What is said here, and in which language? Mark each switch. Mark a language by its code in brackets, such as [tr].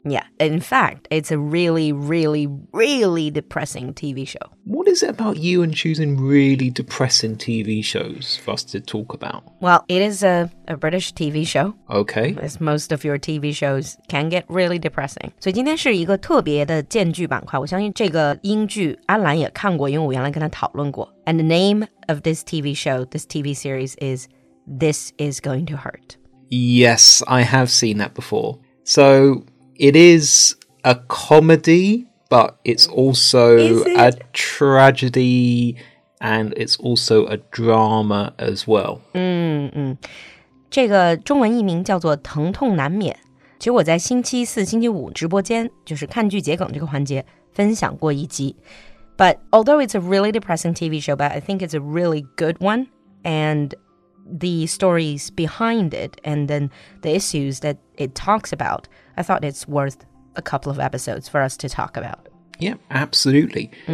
[en] Yeah, in fact, it's a really, really, really depressing TV show What is it about you and choosing really depressing TV shows for us to talk about? Well, it is a British TV show. Okay. As most of your TV shows can get really depressing. [zh] 所以今天是一个特别的荐剧板块。我相信这个英剧安兰也看过因为我原来跟他讨论过。 [en] And the name of this TV show, this TV series is This Is Going to Hurt. Yes, I have seen that before. So it is a comedy... But it's also it? A tragedy and it's also a drama as well. [zh] 这个中文译名叫做疼痛难免。其实我在星期四、星期五直播间就是看剧桔梗这个环节分享过一集。 [en] But although it's a really depressing TV show, but I think it's a really good one. And the stories behind it and then the issues that it talks about, I thought it's worth a couple of episodes for us to talk about. Yeah, absolutely.